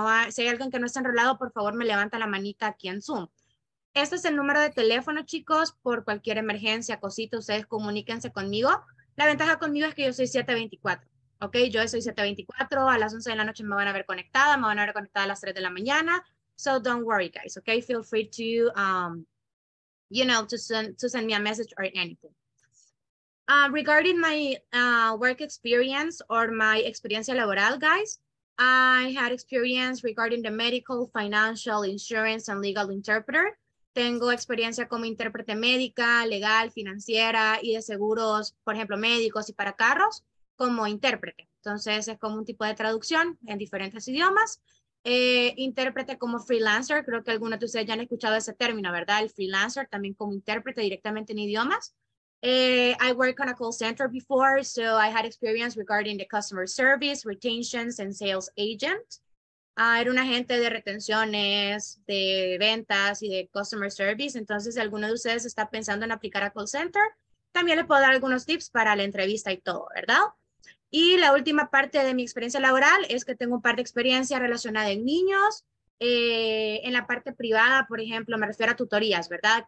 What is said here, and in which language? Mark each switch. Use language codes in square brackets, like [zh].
[es] Si hay alguien que no está enrolado, por favor, me levanta la manita aquí en Zoom. Este es el número de teléfono, chicos, por cualquier emergencia, cosita, ustedes comuníquense conmigo. La ventaja conmigo es que yo soy 724, ¿ok? Yo soy 724, a las 11 de la noche me van a ver conectada a las 3 de la mañana. [en] So don't worry, guys, ¿ok? Feel free to... you know, to send me a message or anything. Regarding my work experience or my [es] experiencia laboral, [en] guys, I had experience regarding the medical, financial, insurance, and legal interpreter. [es] Tengo experiencia como intérprete médica, legal, financiera, y de seguros, por ejemplo, médicos y para carros, como intérprete. Entonces, es como un tipo de traducción en diferentes idiomas. Intérprete como freelancer, creo que algunos de ustedes ya han escuchado ese término, ¿verdad? El freelancer, también como intérprete directamente en idiomas. [en] I worked on a call center before, so I had experience regarding the customer service, retentions, and sales agent. [es] Era un agente de retenciones, de ventas y de customer service. Entonces, si alguno de ustedes está pensando en aplicar a call center, también le puedo dar algunos tips para la entrevista y todo, ¿verdad? Y la última parte de mi experiencia laboral es que tengo un par de experiencias relacionadas en niños. En la parte privada, por ejemplo, me refiero a tutorías, ¿verdad?